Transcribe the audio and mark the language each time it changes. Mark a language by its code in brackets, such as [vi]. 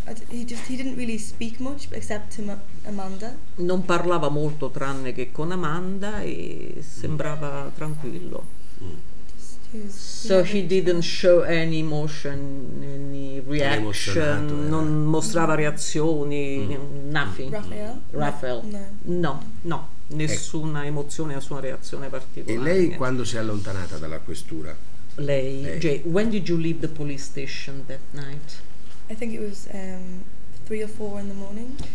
[en] He didn't really speak much except to Amanda. [it] Non parlava molto tranne che con Amanda e sembrava tranquillo. [en] Just, So he didn't show any emotion, any reaction, [it] non mostrava reazioni, [en] nothing. Raphael? [it] No, nessuna emozione, nessuna reazione particolare. E lei quando si è allontanata dalla questura? [en] Lei, Jay, when did you leave the police station that night? I think it was 3 or 4 in the morning.